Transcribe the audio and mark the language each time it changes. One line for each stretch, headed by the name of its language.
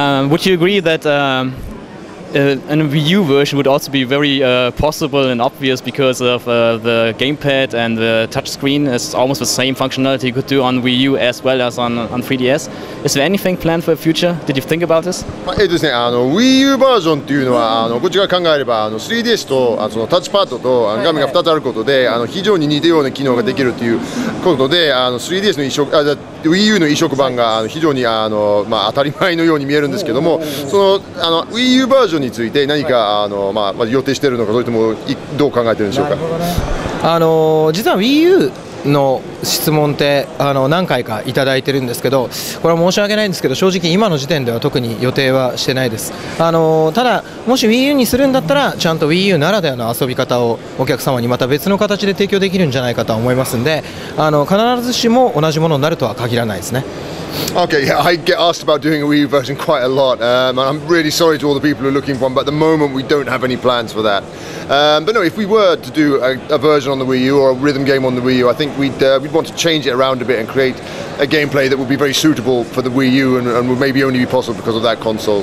English: Would you agree that and a Wii U version would also be very possible and obvious because of the gamepad and the touchscreen is almost the same functionality you could do on Wii U as well as on 3DS. Is there anything planned for the future? Did you think about this?
Japanese: Wii U version というのは、こちらが考えれば、3DSとタッチパッドと画面が2つあることで、非常に似たような機能ができるということで、3DSの移植、 Wii U の移植版が非常に当たり前のように見えるんですけども、その Wii U バージョンについて何か予定しているのか、それともどう考えているんでしょうか。実は Wii U の質問って何回かいただいてるんですけど、これは申し訳ないんですけど、正直今の時点では特に予定はしてないです。ただ、もし Wii U にするんだったら、ちゃんと Wii U ならではの遊び方をお客様にまた別の形で提供できるんじゃないかと思いますんで、必ずしも同じものになるとは限らないですね。
English: Okay, yeah, I get asked about doing a Wii U version quite a lot, and I'm really sorry to all the people who are looking for one, but at the moment we don't have any plans for that. But no, if we were to do a version on the Wii U or a rhythm game on the Wii U, I think we'd want to change it around a bit and create a gameplay that would be very suitable for the Wii U and would maybe only be possible because of that console.